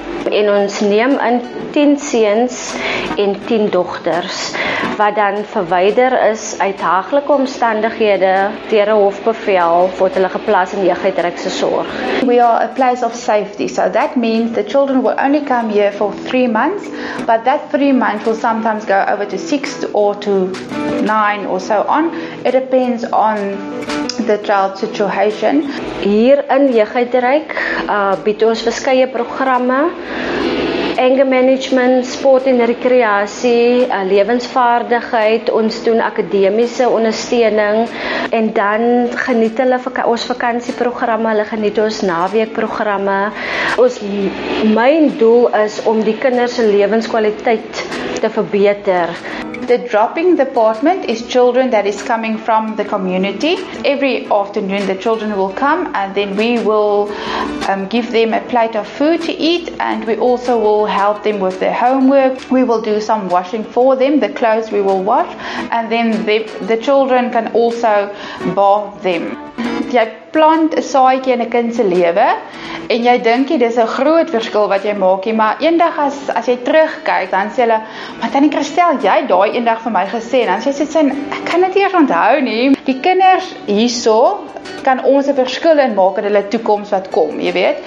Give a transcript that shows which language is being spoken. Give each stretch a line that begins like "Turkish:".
Afrikaans: En ons neem in 10 seuns en 10 dogters wat dan verwyder is uit haaglike omstandighede deur 'n hofbevel word hulle geplaas in jeugdrykse sorg.
English: We are a place of safety, so that means the children will only come here for 3 months, but that 3 months will sometimes go over to 6 or to 9 or so on. It depends on the child situation.
Afrikaans: Hier in Jeugdryk bied ons verskeie programme. Anger management, sport en recreatie, lewensvaardigheid, ons doen akademiese ondersteuning en dan geniet hulle ons vakansieprogramme, hulle geniet ons naweekprogramme. Ons main doel is om die kinders se lewenskwaliteit te verbeter.
English: The dropping department is children that is coming from the community. Every afternoon the children will come and then we will give them a plate of food to eat, and we also will help them with their homework. We will do some washing for them, the clothes we will wash, and then the children can also bath them.
Afrikaans: Jy plant 'n saaitjie in 'n kind se lewe en jy dink jy dis 'n groot verskil wat jy maak, maar eendag as jy terugkyk, dan sê hulle, "Maar tannie Christel, jy het daai eendag vir my gesê," en dan sê sy, "Ek kan dit nie eers onthou nie." Die kinders hierso kan ons 'n verskil in maak in hulle toekoms wat kom, jy weet.